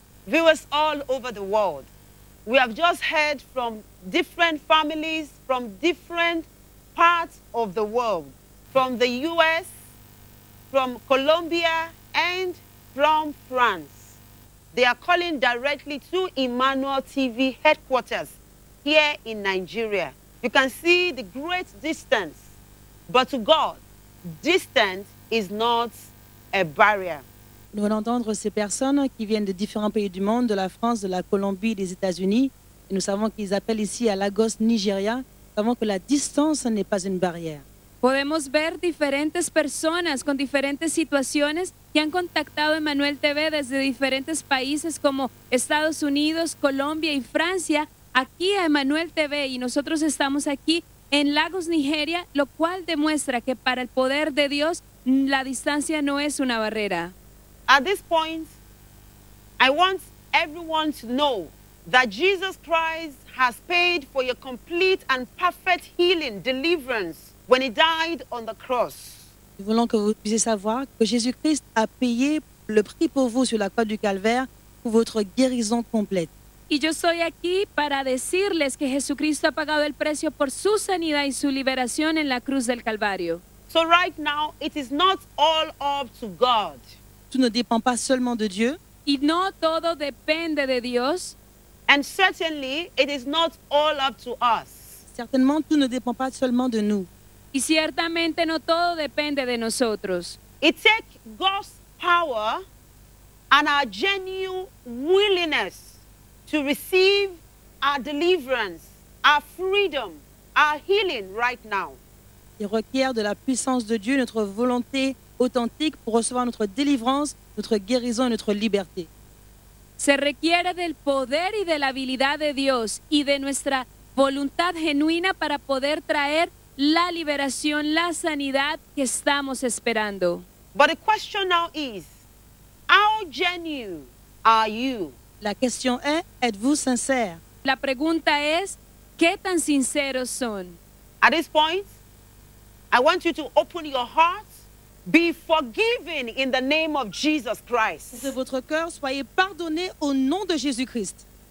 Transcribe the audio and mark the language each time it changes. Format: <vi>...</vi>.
<en>Viewers all over the world, we have just heard from different families from different parts of the world, from the U.S., from Colombia, and from France. They are calling directly to Emmanuel TV headquarters here in Nigeria. You can see the great distance, but to God, distance is not a barrier.</en> <fr>Nous allons entendre ces personnes qui viennent de différents pays du monde, de la France, de la Colombie, des États-Unis. Et nous savons qu'ils appellent ici à Lagos, Nigeria. Nous savons que la distance n'est pas une barrière.</fr> <es>Podemos ver diferentes personas con diferentes situaciones que han contactado Emmanuel TV desde diferentes países como Estados Unidos, Colombia y Francia. Aquí a Emmanuel TV y nosotros estamos aquí en Lagos, Nigeria, lo cual demuestra que para el poder de Dios la distancia no es una barrera.</es> <en>At this point, I want everyone to know that Jesus Christ has paid for your complete and perfect healing, deliverance, when he died on the cross.</en> <fr>Nous voulons que vous puissiez savoir que Jésus-Christ a payé le prix pour vous sur la croix du calvaire pour votre guérison complète.</fr> <es>Y yo estoy aquí para decirles que Jesucristo ha pagado el precio por su sanidad y su liberación en la cruz del Calvario.</es> <en>So right now, it is not all up to God.</en> <fr>Tout ne dépend pas seulement de Dieu.</fr> <es>Y no todo depende de Dios.</es> <en>And certainly, it is not all up to us.</en> <fr>Certainement, tout ne dépend pas seulement de nous.</fr> <es>Y ciertamente, no todo depende de nosotros.</es> <en>It takes God's power and our genuine willingness to receive our deliverance, our freedom, our healing right now.</en> <fr>Il requiert de la puissance de Dieu, notre volonté authentique pour recevoir notre délivrance, notre guérison et notre liberté.</fr> <es>Se requiere del poder y de la habilidad de Dios y de nuestra voluntad genuina para poder traer la liberación, la sanidad que estamos esperando.</es> <en>But the question now is, how genuine are you?</en> <fr>La question est, êtes-vous sincère?</fr> <es>La pregunta es, ¿qué tan sinceros son?</es> <en>At this point, I want you to open your heart. Be forgiven in the name of Jesus Christ.</en> <fr>Que votre cœur soyez pardonné au nom de Jésus-Christ.</fr>